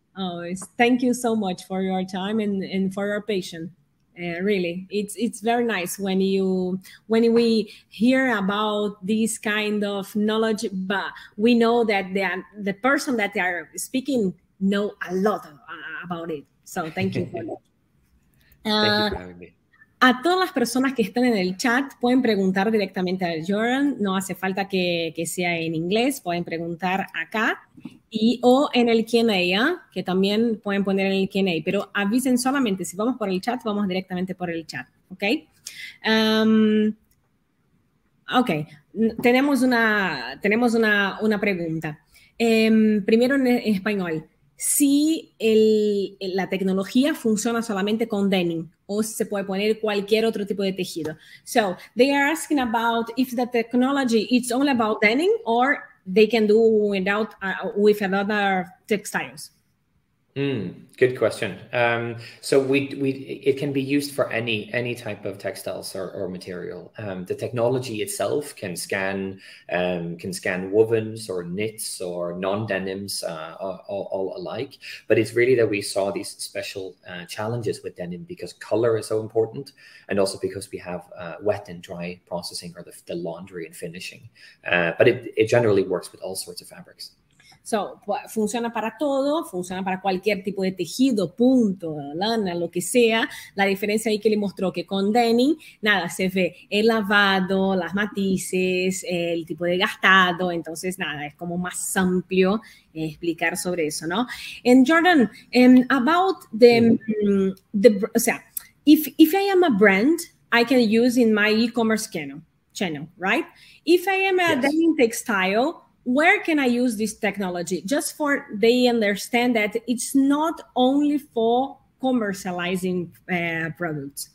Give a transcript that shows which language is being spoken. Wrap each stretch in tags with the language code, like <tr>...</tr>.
<en>Oh, thank you so much for your time and for your patience. Really, it's very nice when we hear about this kind of knowledge, but we know that the person that they are speaking know a lot about it. So, thank you for having me.</en> <es>A todas las personas que están en el chat, pueden preguntar directamente a Jordan. No hace falta que sea en inglés. Pueden preguntar acá o en el Q&A, que también pueden poner en el Q&A. Pero avisen solamente. Si vamos por el chat, vamos directamente por el chat. ¿Ok? Ok. Tenemos una pregunta. Primero en español. Si la tecnología funciona solamente con denim o se puede poner cualquier otro tipo de tejido.</es> <en>So, they are asking about if the technology is only about denim or they can do without with another textiles. Good question. So it can be used for any type of textiles or material. The technology itself can scan wovens or knits or non-denims all alike. But it's really that we saw these special challenges with denim because color is so important, and also because we have wet and dry processing, or the laundry and finishing. But it generally works with all sorts of fabrics.</en> <es>So, funciona para todo, funciona para cualquier tipo de tejido, punto, lana, lo que sea. La diferencia ahí que le mostró que con denim, nada, se ve el lavado, las matices, el tipo de gastado. Entonces, nada, es como más amplio explicar sobre eso, ¿no?</es> <en>And Jordan, about the</en> <es>o sea,</es> <en>if I am a brand, I can use in my e-commerce channel, right? If I am a denim textile, where can I use this technology? Just for they understand that it's not only for commercializing products.</en>